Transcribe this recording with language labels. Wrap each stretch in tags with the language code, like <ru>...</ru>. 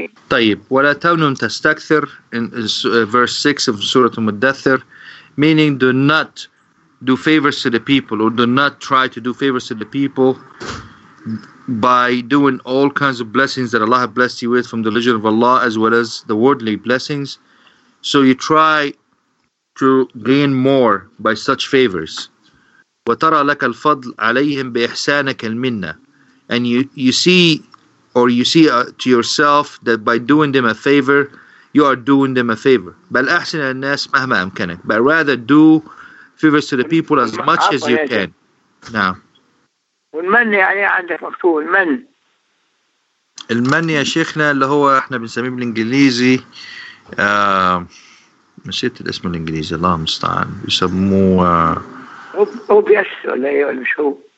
<ar>طيب ولا تمنن تستكثر</ar> <en>in verse 6 of Surah Al-Muddathir, meaning do not do favors to the people or do not try to do favors to the people by doing all kinds of blessings that Allah has blessed you with from the religion of Allah as well as the worldly blessings. So you try to gain more by such favors.</en> <ar>وترى لك الفضل عليهم بإحسانك المنة.</ar> <en>And you see or you see to yourself that by doing them a favor, you are doing them a favor.</en> <ar>بل أحسن الناس مهما أمكنك.</ar> <en>But rather do favors to the people as much as you can.</en> <ar>Now. والمن يعني عندك مكتوب المن. المن يا شيخنا اللي هو احنا بنسميه بالإنجليزي. نسيت الاسم الإنجليزي. الله مستعان. يسموه. أوبيس ولا مش هو.</ar>